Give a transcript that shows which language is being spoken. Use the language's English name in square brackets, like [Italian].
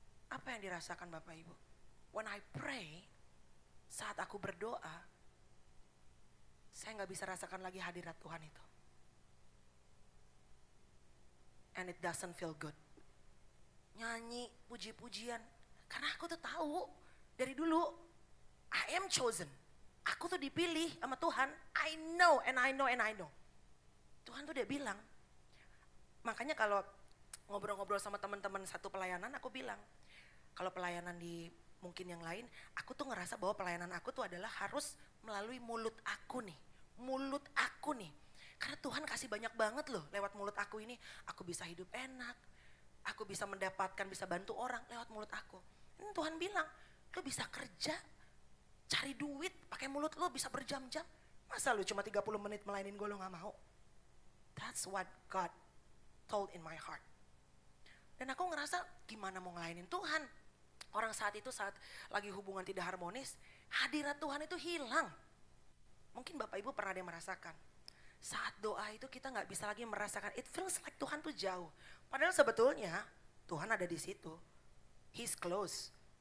[Indonesian] Apa yang dirasakan Bapak Ibu? [English] When I pray, [Indonesian] saat aku berdoa, saya gak bisa rasakan lagi hadirat Tuhan itu. [English] And it doesn't feel good. [Indonesian] Nyanyi, puji-pujian. Karena aku tuh tahu, dari dulu, [English] I am chosen. [Indonesian] Aku tuh dipilih sama Tuhan, [English] I know and I know and I know. [Indonesian] Tuhan tuh udah bilang, makanya kalau ngobrol-ngobrol sama teman-teman satu pelayanan, aku bilang, kalau pelayanan di mungkin yang lain, aku tuh ngerasa bahwa pelayanan aku tuh adalah harus melalui mulut aku nih, mulut aku nih. Karena Tuhan kasih banyak banget loh lewat mulut aku ini, aku bisa hidup enak, aku bisa mendapatkan, bisa bantu orang lewat mulut aku. Ini Tuhan bilang, lu bisa kerja, cari duit, pakai mulut lu bisa berjam-jam. Masa lu cuma 30 menit melainin gue, lu gak mau? [English] That's what God told in my heart. [Indonesian] Dan aku ngerasa, gimana mau ngelainin Tuhan? Orang saat itu, saat lagi hubungan tidak harmonis, hadirat Tuhan itu hilang. Mungkin Bapak Ibu pernah ada yang merasakan. Saat doa itu kita gak bisa lagi merasakan, [English] it feels like [Indonesian] Tuhan tuh jauh. Padahal sebetulnya, Tuhan ada di situ. [English] He's close.